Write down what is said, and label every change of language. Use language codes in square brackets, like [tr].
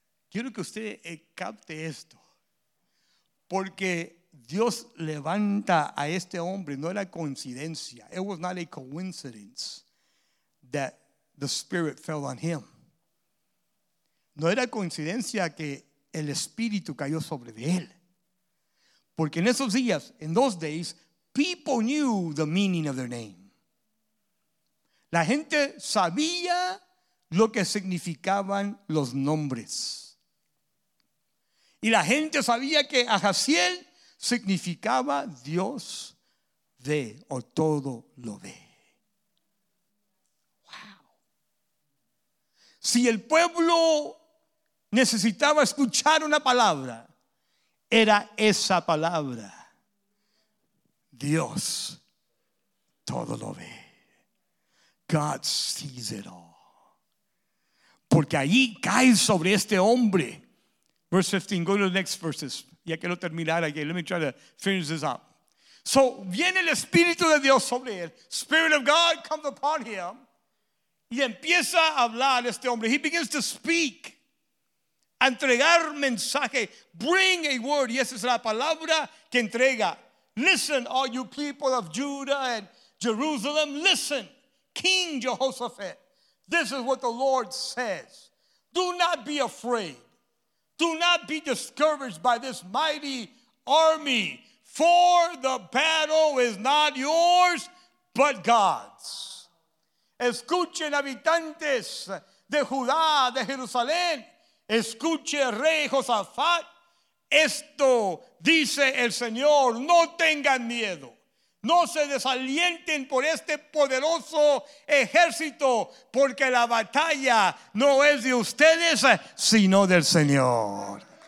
[es] Quiero que usted capte esto. Porque Dios levanta a este hombre. No era coincidencia. [en] It was not a coincidence that the Spirit fell on him. [es] No era coincidencia que el Espíritu cayó sobre él. Porque en esos días, en [en] those days, people knew the meaning of their name. [es] La gente sabía lo que significaban los nombres. Y la gente sabía que Ahaziel significaba Dios ve o todo lo ve. Wow. Si el pueblo necesitaba escuchar una palabra, era esa palabra. Dios todo lo ve. [en] God sees it all. [es] Porque allí cae sobre este hombre. [en] Verse 15, go to the next verses. [es] Ya quiero terminar aquí. [en] Let me try to finish this up. [es] So, viene el Espíritu de Dios sobre él. [en] Spirit of God comes upon him. [es] Y empieza a hablar este hombre. [en] He begins to speak. [es] Entregar mensaje, [en] bring a word, [es] y esa es la palabra que entrega. [en] Listen, all you people of Judah and Jerusalem, listen, King Jehoshaphat, this is what the Lord says. Do not be afraid. Do not be discouraged by this mighty army, for the battle is not yours, but God's. [es] Escuchen, habitantes de Judá, de Jerusalén. Escuche, rey Josafat, esto dice el Señor, no tengan miedo, no se desalienten por este poderoso ejército, porque la batalla no es de ustedes, sino del Señor.